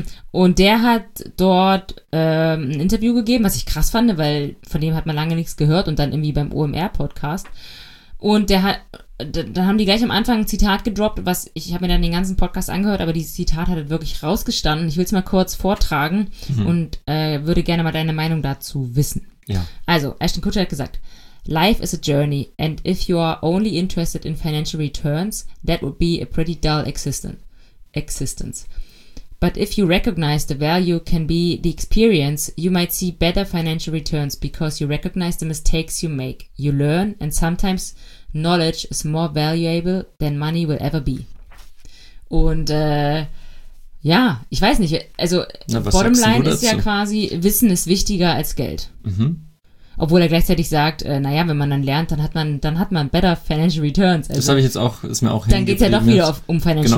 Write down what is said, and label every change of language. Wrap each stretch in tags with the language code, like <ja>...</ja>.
<de>Und der hat dort ein Interview gegeben, was ich krass fand, weil von dem hat man lange nichts gehört und dann irgendwie beim OMR-Podcast. Und der hat, dann haben die gleich am Anfang ein Zitat gedroppt, was ich habe mir dann den ganzen Podcast angehört, aber dieses Zitat hat wirklich rausgestanden. Ich will es mal kurz vortragen und würde gerne mal deine Meinung dazu wissen. Ja. Also, Ashton Kutcher hat gesagt,</de> <en>"Life is a journey, and if you are only interested in financial returns, that would be a pretty dull existence. But if you recognize the value can be the experience, you might see better financial returns because you recognize the mistakes you make. You learn, and sometimes knowledge is more valuable than money will ever be."</en> <de>Und ja, ich weiß nicht, also Bottomline ist ja quasi, Wissen ist wichtiger als Geld. Obwohl er gleichzeitig sagt, naja, wenn man dann lernt, dann hat man</de> <en>better financial returns.</en> <de>Also, das habe ich jetzt auch, ist mir auch hängen geblieben. Dann geht es ja doch wieder um financial</de>